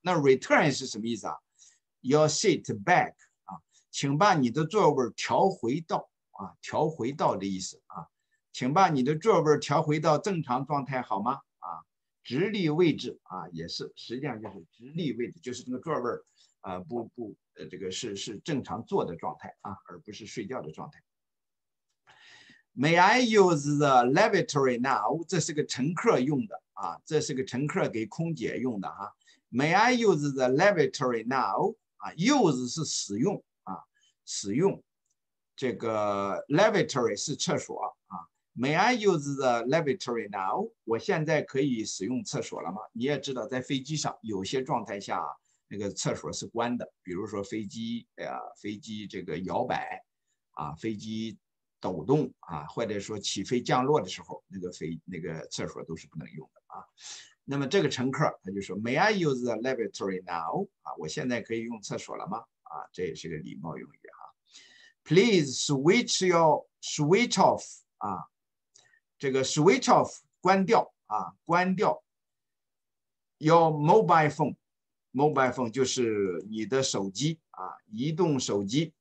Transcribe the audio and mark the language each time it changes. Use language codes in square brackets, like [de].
[zh] 那 return 是什么意思啊？ [en] Your seat back [zh] 啊，请把你的座位调回到啊，调回到的意思啊，请把你的座位调回到正常状态好吗？啊，直立位置啊，也是，实际上就是直立位置，就是那个座位啊，这个是正常坐的状态啊，而不是睡觉的状态。 [en] May I use the lavatory now? [zh] 这是个乘客用的啊，这是个乘客给空姐用的啊。 [en] May I use the lavatory now? [zh] 啊 ，use 是使用啊，使用这个 lavatory 是厕所啊。 [en] May I use the lavatory now? [zh] 我现在可以使用厕所了吗？你也知道，在飞机上有些状态下那个厕所是关的，比如说飞机这个摇摆啊，飞机。抖动啊，或者说起飞降落的时候，那个厕所都是不能用的啊。那么这个乘客他就说 ， [en] May I use the lavatory now？ [zh] 啊，我现在可以用厕所了吗？啊，这也是个礼貌用语啊。 Please [en] switch off [zh] 啊，这个 switch off 关掉啊，关掉 [en] your mobile phone， [zh] mobile phone 就是你的手机啊，移动手机。